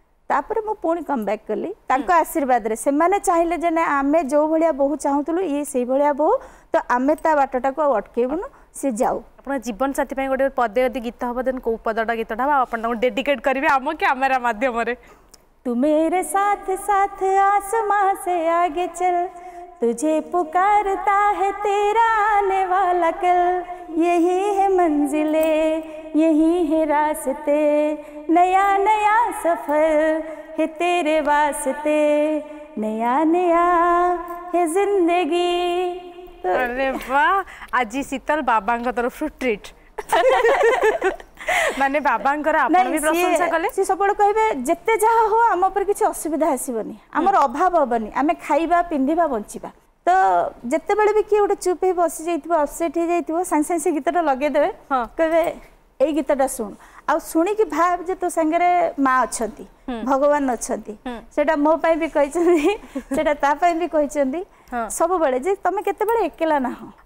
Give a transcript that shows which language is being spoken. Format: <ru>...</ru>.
<or>ତାପରେ ମୁଁ ପୁଣି କମ୍ବ୍ୟାକ୍ କଲି ତାଙ୍କ ଆଶୀର୍ବାଦରେ ସେମାନେ ଚାହିଁଲେ ଯେ ନା ଆମେ ଯେଉଁଭଳିଆ ବୋହୂ ଚାହୁଁଥିଲୁ ଇଏ ସେଇଭଳିଆ ବୋହୂ ତ ଆମେ ତା ବାଟଟାକୁ ଆଉ ଅଟକେଇବୁନୁ ସେ ଯାଉ ଆପଣ ଜୀବନସାଥୀ ପାଇଁ ଗୋଟେ ପଦେ ଯଦି ଗୀତ ହବ ଦେନ୍ କେଉଁ ପଦଟା ଗୀତଟା ହବ ଆପଣ ତାଙ୍କୁ ଡେଡିକେଟ୍ କରିବେ ଆମ କ୍ୟାମେରା ମାଧ୍ୟମରେ</or> <hi>ତୁମେ ରେ ସାଥ ସାଥ ଆସମା ସେ ଆଗେ ଚଲ तुझे पुकारता है तेरा आने वाला कल यही है मंजिले यही है रास्ते नया नया सफर है तेरे वास्ते नया नया है जिंदगी अरे वाह आज शीतल बाबा का तरफ ट्रीट</hi> <or>ମାନେ ବାବାଙ୍କର ଆପଣ ବି ପ୍ରଶଂସା କଲେ ସେ ସବୁବେଳେ କହିବେ ଯେତେ ଯାହା ହଉ ଆମ ଉପରେ କିଛି ଅସୁବିଧା ଆସିବନି ଆମର ଅଭାବ ହବନି ଆମେ ଖାଇବା ପିନ୍ଧିବା ବଞ୍ଚିବା ତ ଯେତେବେଳେ ବି କିଏ ଗୋଟେ ଚୁପ୍ ହେଇ ବସିଯାଇଥିବ ଅପସେଟ୍ ହେଇଯାଇଥିବ ସାଙ୍ଗେ ସାଙ୍ଗେ ସେ ଗୀତଟା ଲଗେଇଦେବେ କହିବେ ଏଇ ଗୀତଟା ଶୁଣ ଆଉ ଶୁଣିକି ଭାବ ଯେ ତୋ ସାଙ୍ଗରେ ମା ଅଛନ୍ତି ଭଗବାନ ଅଛନ୍ତି ସେଇଟା ମୋ ପାଇଁ ବି କହିଛନ୍ତି ସେଇଟା ତା ପାଇଁ ବି କହିଛନ୍ତି ସବୁବେଳେ ଯେ ତମେ କେତେବେଳେ ଏକେଲା ନାହଁ</or>